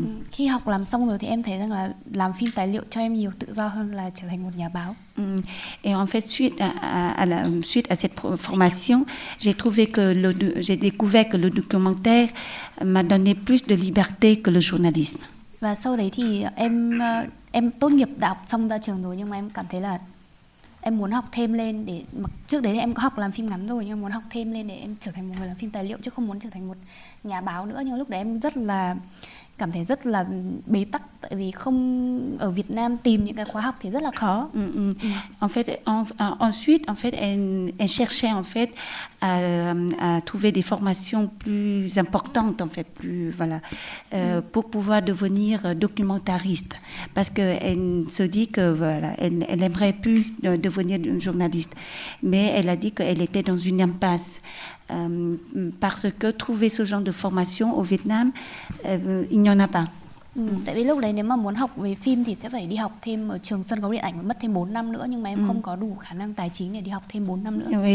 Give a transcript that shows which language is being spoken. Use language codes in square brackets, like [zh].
[vi] Khi học làm xong rồi thì em thấy rằng là làm phim tài liệu cho em nhiều tự do hơn là trở thành một nhà báo. [fr] Et en fait suite à cette formation, j'ai découvert que le documentaire m'a donné plus de liberté que le journalisme. [vi] Và sau đấy thì em tốt nghiệp đại học xong ra trường rồi nhưng mà em cảm thấy là em muốn học thêm lên để trước đấy thì em có học làm phim ngắn rồi nhưng muốn học thêm lên để em trở thành một người làm phim tài liệu chứ không muốn trở thành một nhà báo nữa. Nhưng lúc đấy em rất là cảm thấy rất là bế tắc tại vì không ở Việt Nam tìm những cái khóa học thì rất là khó. [fr] En fait, ensuite en fait elle cherchait en fait à trouver des formations plus importantes en fait plus voilà pour pouvoir devenir documentariste parce que elle se dit que voilà elle aimerait plus devenir une journaliste mais elle a dit qu'elle était dans une impasse. Parce que trouver ce genre de formation au Vietnam, il n'y en a pas. [vi] Tại vì lúc đấy nếu mà muốn học về phim thì sẽ phải đi học thêm ở trường sân khấu điện ảnh mất thêm 4 năm nữa nhưng mà em không có đủ khả năng tài chính để đi học thêm 4 năm nữa.